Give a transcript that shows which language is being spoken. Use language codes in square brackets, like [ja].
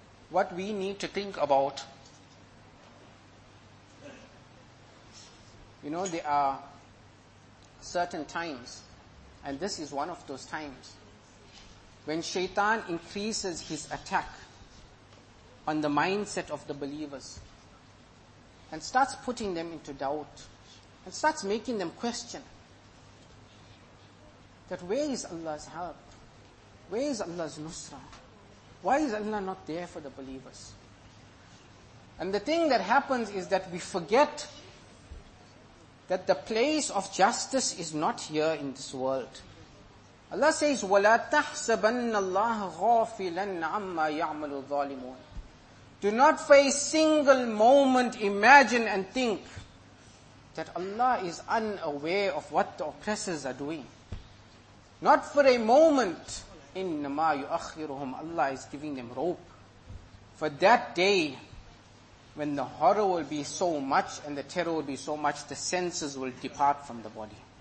[en] What we need to think about, you know, there are certain times, and this is one of those times, when Shaitan increases his attack on the mindset of the believers and starts putting them into doubt and starts making them question that where is Allah's help? Where is Allah's nusra? Why is Allah not there for the believers? And the thing that happens is that we forget that the place of justice is not here in this world. Allah says, [ar] وَلَا تَحْسَبَنَّ اللَّهَ غَافِلًا عَمَّا يَعْمَلُ الظَّالِمُونَ. [en] Do not for a single moment imagine and think that Allah is unaware of what the oppressors are doing. Not for a moment. [ar] إِنَّمَا يُؤَخِّرُهُمْ. [en] Allah is giving them rope. For that day, when the horror will be so much and the terror will be so much, the senses will depart from the body.